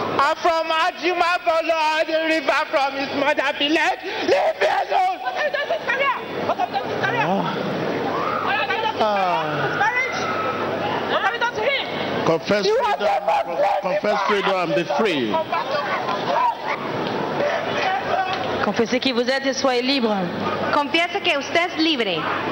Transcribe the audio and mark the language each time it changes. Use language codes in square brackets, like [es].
[en] I'm from Ajima, follow the river from his mother village. Leave me alone. Confess freedom. Confess freedom and be free. [fr] Confessez qui vous êtes et soyez libre. [es] Confiese que usted es libre.